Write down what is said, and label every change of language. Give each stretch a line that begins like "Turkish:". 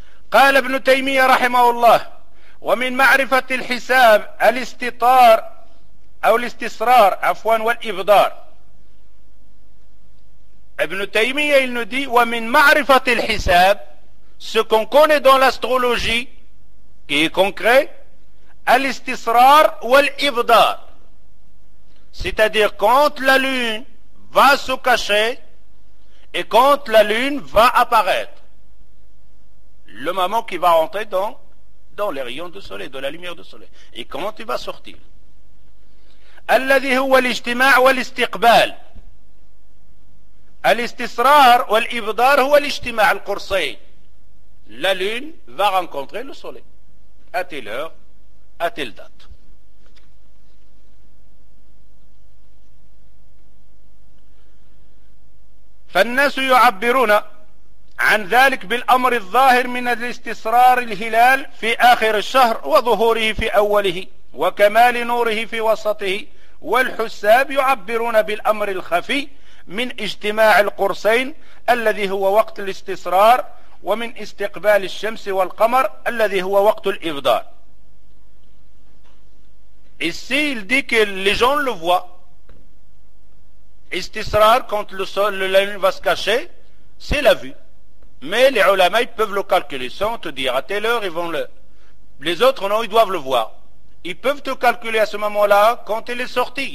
Arabic: قال ابن تيمية رحمه الله ومن معرفة الحساب الاستطار أو الاستصرار عفوا والإبدار.
French: Ibn Taymiyyah, il nous dit, «
Arabic: Wa min ma'rifatil hisab,
French: ce qu'on connaît dans l'astrologie, qui est concret,
Arabic: al-istisrar wal-ibdar. »
French: c'est-à-dire quand la lune va se cacher et quand la lune va apparaître, le moment qui va entrer dans les rayons du soleil, de la lumière du soleil, et quand il va sortir.
Arabic: الذي هو الاجتماع والاستقبال. الاستسرار والإبدار هو الاجتماع القرصي.
French: La lune va rencontrer le soleil. À telle heure, à telle date.
Arabic: فالناس يعبرون عن ذلك بالأمر الظاهر من الاستسرار الهلال في آخر الشهر وظهوره في أوله وكمال نوره في وسطه والحساب يعبرون بالأمر الخفي من اجتماع القرصين الذي هو وقت الاستسرار ومن استقبال الشمس والقمر الذي هو وقت الإبدار.
French: Ici il dit que les gens le voient. Istisrar, quand le sol, la lune va se cacher, c'est la vue. Mais les ulama, ils peuvent le calculer sans te dire à telle heure, ils vont le. Les autres, non, ils doivent le voir. Ils peuvent te calculer à ce moment-là quand il est sorti.